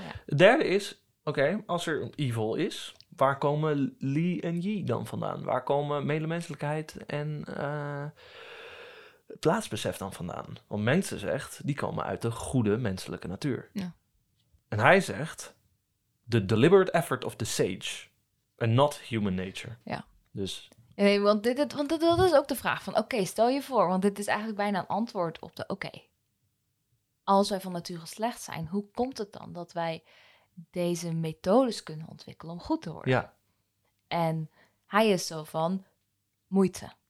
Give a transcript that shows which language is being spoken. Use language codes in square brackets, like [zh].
[nl] Derde is, oké, als er een evil is, waar komen Li en Yi dan vandaan? Waar komen medemenselijkheid en plaatsbesef dan vandaan? Want mensen zegt, die komen uit de goede menselijke natuur. Ja. En hij zegt, [en] the deliberate effort of the sage and not human nature. [nl] Ja. Dus. Nee, want dat is ook de vraag van, oké, stel je voor, want dit is eigenlijk bijna een antwoord op de, oké. Als wij van nature slecht zijn, hoe komt het dan dat wij deze methodes kunnen ontwikkelen om goed te worden? Ja. En hij is zo van, moeite.